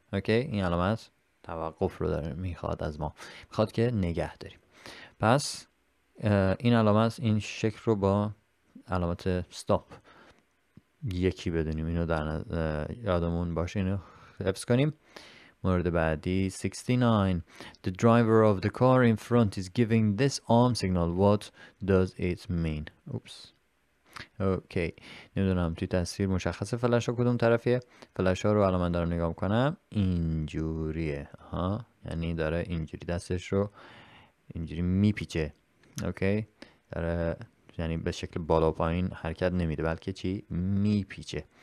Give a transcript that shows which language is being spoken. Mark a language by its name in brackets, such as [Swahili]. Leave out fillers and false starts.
[Persian] اوکی، این علامت توقف رو داره میخواد از ما، میخواد که نگه داریم. پس این علامت، این شکل رو با علامت stop یکی بدونیم، اینو در یادمون باشه، اینو حفظ کنیم. مورد بعدی 69. [English] The driver of the car in front is giving this arm signal. What does it mean? Oops. Okay. [Persian] نمیدونم توی تصویر مشخص فلش ها کدوم طرفیه. فلش ها رو الان دارم نگاه میکنم. اینجوریه. ها. یعنی داره اینجوری دستش رو اینجوری میپیچه. [English] Okay. [Persian] داره یعنی به شکل بالا پایین حرکت نمیده، بلکه چی؟ میپیچه.